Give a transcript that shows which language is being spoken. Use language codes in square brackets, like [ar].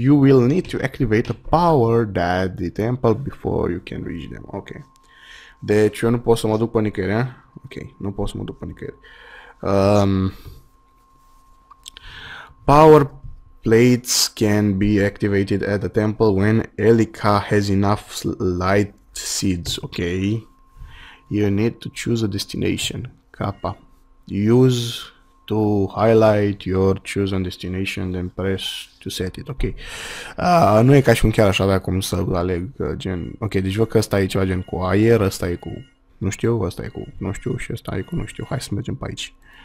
[en] You will need to activate a power at the temple before you can reach them. Ok. [ro] Deci eu nu pot să mă duc pe nicăieri, eh? Ok, nu pot să mă duc pe nicăieri. [en] Power plates can be activated at the temple when Elika has enough light seeds, okay? You need to choose a destination, Kappa. Use to highlight your chosen destination, then press to set it, okay? [ro] Nu e ca și cum chiar aș avea cum să aleg gen... Ok, deci văd că ăsta e ceva gen cu aer, ăsta e cu... Nu știu, ăsta e cu... Nu știu și ăsta e cu... Nu știu, hai să mergem pe aici.